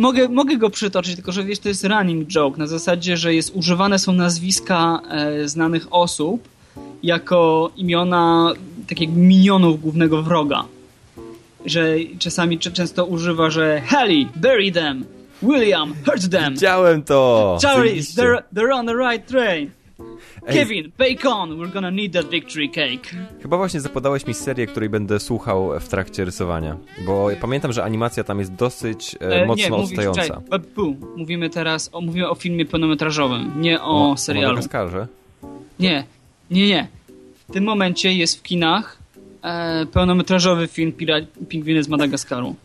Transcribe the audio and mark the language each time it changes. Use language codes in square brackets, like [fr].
[pl] Mogę go przytoczyć, tylko że wiesz, to jest running joke na zasadzie, że jest używane są nazwiska znanych osób jako imiona takich minionów głównego wroga. Że czasami często używa, że [en] Halle, bury them, William, hurt them. [pl] Widziałem to. [en] Charlize, they're on the right train. Kevin, bacon, we're gonna need that victory cake. [pl] Chyba właśnie zapodałeś mi serię, której będę słuchał w trakcie rysowania. Bo pamiętam, że animacja tam jest dosyć mocno odstająca. Mówimy teraz mówimy o filmie pełnometrażowym, nie o serialu. O Madagaskarze? Nie. W tym momencie jest w kinach pełnometrażowy film Pingwiny z Madagaskaru.